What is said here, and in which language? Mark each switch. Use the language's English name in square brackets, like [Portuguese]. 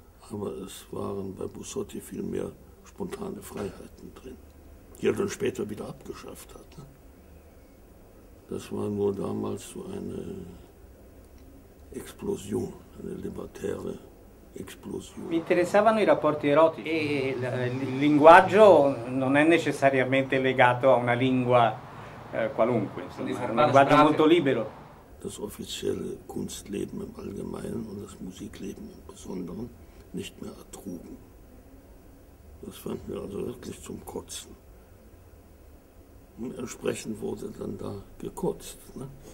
[German] Aber es waren bei Busotti viel mehr spontane Freiheiten drin, die er dann später wieder abgeschafft hat. Das war nur damals so eine Explosion, eine libertäre Explosion. [Italian] Mi interessavano i rapporti erotici. E il linguaggio non è necessariamente legato a una lingua qualunque, insomma, un linguaggio molto libero. [German] Das offizielle Kunstleben im Allgemeinen und das Musikleben im Besonderen nicht mehr ertrugen. Das fand mir also wirklich zum Kotzen. Und entsprechend wurde dann da gekotzt. Ne?